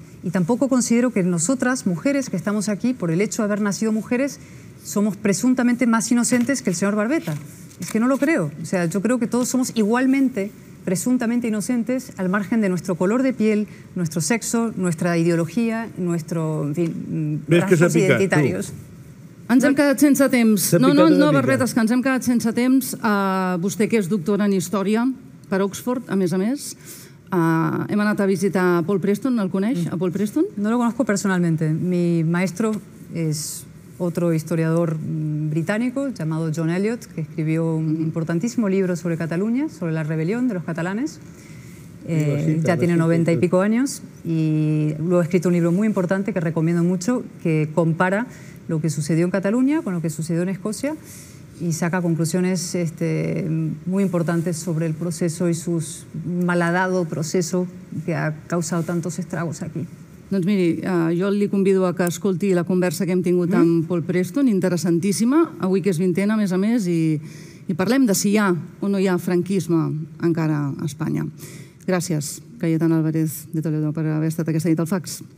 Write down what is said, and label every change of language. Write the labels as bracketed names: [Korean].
[Spanish] Y tampoco considero que nosotras, mujeres, que estamos aquí, por el hecho de haber nacido mujeres, somos presuntamente más inocentes que el señor Barbeta. Es que no lo creo. O sea, yo creo que todos somos igualmente presuntamente inocentes al margen de nuestro color de piel, nuestro sexo, nuestra ideología, nuestro, en fin, rasgos identitarios. Tú. [Catalan] Ens hem quedat sense temps. No, Barbetes, que ens hem quedat sense temps. Vostè, que és doctora en història per Oxford, a més... [Spanish] he mandado a visitar a Paul Preston, ¿al conoce a Paul Preston? No lo conozco personalmente. Mi maestro es otro historiador británico llamado John Eliot, que escribió un importantísimo libro sobre Cataluña, sobre la rebelión de los catalanes. Ya tiene 90 y pico años y luego ha escrito un libro muy importante que recomiendo mucho, que compara lo que sucedió en Cataluña con lo que sucedió en Escocia. Y saca conclusiones muy importantes sobre el proceso y su malhadado proceso que ha causado tantos estragos aquí. [Catalan] Doncs miri, jo li convido a que escolti la conversa que hem tingut amb Paul Preston, interessantíssima, avui que és 20a, a més, i parlem de si hi ha o no hi ha franquisme encara a Espanya. Gràcies, Cayetana Álvarez de Toledo, per haver estat aquesta nit al Fax.